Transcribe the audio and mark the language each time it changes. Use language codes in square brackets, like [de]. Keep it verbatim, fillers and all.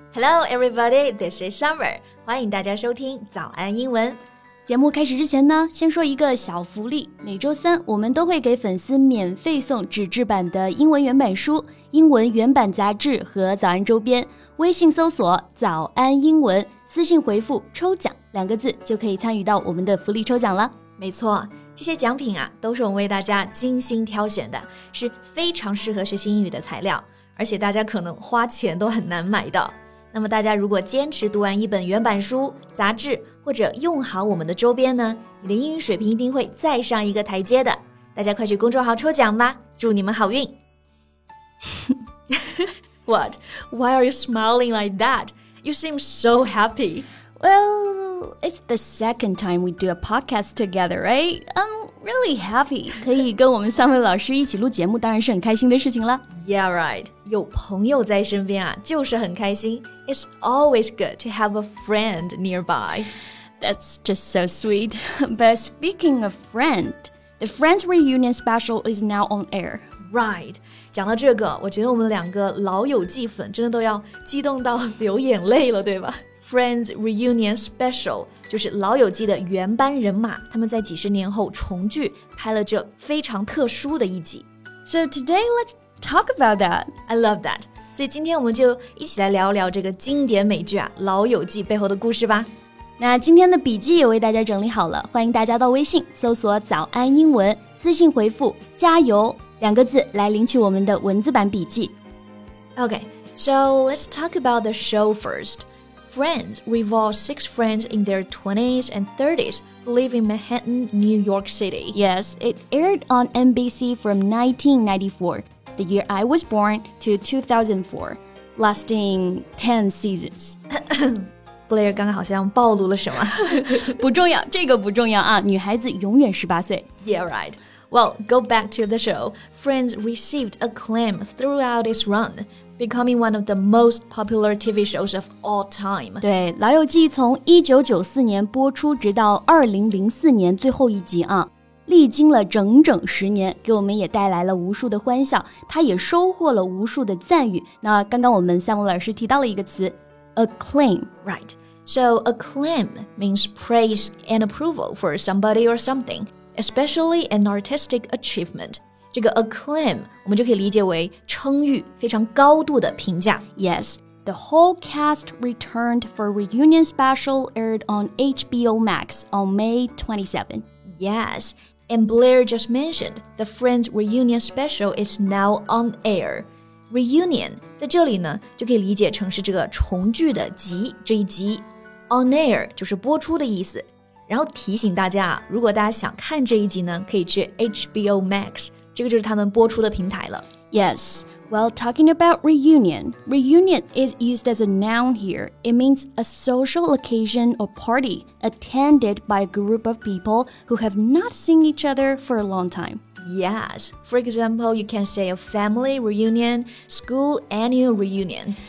[en] Hello everybody, this is Summer. [zh] 欢迎大家收听早安英文。节目开始之前呢，先说一个小福利。每周三我们都会给粉丝免费送纸质版的英文原版书、英文原版杂志和早安周边。微信搜索早安英文，私信回复抽奖两个字就可以参与到我们的福利抽奖了。没错，这些奖品啊都是我们为大家精心挑选的，是非常适合学习英语的材料，而且大家可能花钱都很难买到。那么大家如果坚持读完一本原版书、杂志，或者用好我们的周边呢，你的英语水平一定会再上一个台阶的。大家快去公众号抽奖吧，祝你们好运。 [en] What? Why are you smiling like that? You seem so happy. Well, it's the second time we do a podcast together, right? I'm really happy. [zh] 可以跟我们三位老师一起录节目，当然是很开心的事情了。 [en] Yeah, right. [zh] 有朋友在身边啊，就是很开心。 [en] It's always good to have a friend nearby. That's just so sweet. But speaking of friend, the Friends Reunion Special is now on air. Right. [zh] 讲到这个，我觉得我们两个老友记粉真的都要激动到流眼泪了，对吧？ Friends Reunion Special 就是老友记的原班人马，他们在几十年后重聚，拍了这非常特殊的一集。 [en] So today let's talk about that. I love that. [zh] 所以今天我们就一起来聊聊这个经典美剧啊，老友记背后的故事吧。那今天的笔记也为大家整理好了，欢迎大家到微信搜索早安英文，私信回复加油两个字来领取我们的文字版笔记。 [en] Okay, so let's talk about the show first. Friends revolves six friends in their twenties and thirties who live in Manhattan, New York City. Yes, it aired on N B C from nineteen ninety-four, the year I was born, to two thousand four, lasting ten seasons. [zh] Blair 刚刚好像暴露了什么？不重要，这个不重要啊，女孩子永远十八岁。 [en] Yeah, right. Well, go back to the show. Friends received acclaim throughout its run, becoming one of the most popular T V shows of all time. [zh] 对，老友记从一九九四年播出直到二零零四年最后一集啊，历经了整整十年，给我们也带来了无数的欢笑，它也收获了无数的赞誉。那刚刚我们夏萌老师提到了一个词 acclaim. [en] Right. So acclaim means praise and approval for somebody or something. Especially an artistic achievement. [zh] 这个 acclaim 我们就可以理解为称誉，非常高度的评价。 [en] Yes, the whole cast returned for reunion special aired on H B O Max on May twenty-seventh. Yes, and Blair just mentioned the Friends reunion special is now on air. [zh] Reunion 在这里呢，就可以理解成是这个重聚的集，这一集 on air 就是播出的意思。然后提醒大家，如果大家想看这一集呢，可以去 H B O Max， 这个就是他们播出的平台了。 [en] Yes, well, talking about reunion, reunion is used as a noun here. It means a social occasion or party attended by a group of people who have not seen each other for a long time. Yes, for example, you can say a family reunion, school annual reunion.